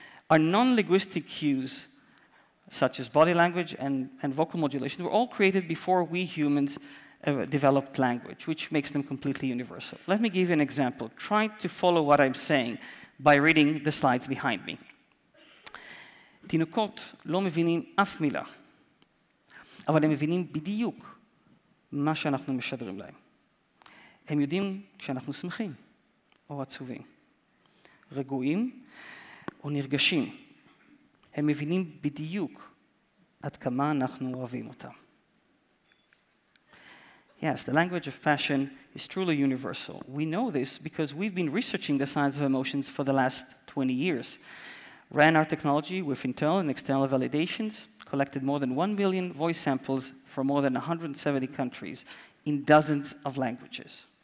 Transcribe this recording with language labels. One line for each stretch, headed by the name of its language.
English: Our non-linguistic cues, such as body language and vocal modulation, were all created before we humans developed language, which makes them completely universal. Let me give you an example. Try to follow what I'm saying by reading the slides behind me.
Hebrew: תינוקות לא מבינים אף מילה, אבל הם מבינים בדיוק מה שאנחנו משדרים להם. הם יודעים כשאנחנו שמחים או עצובים, רגועים או נרגשים. הם מבינים בדיוק עד כמה אנחנו אוהבים אותם.
English: Yes, the language of passion is truly universal. We know this because we've been researching the science of emotions for the last 20 years. Ran our technology with internal and external validations, collected more than 1 million voice samples from more than 170 countries in dozens of languages.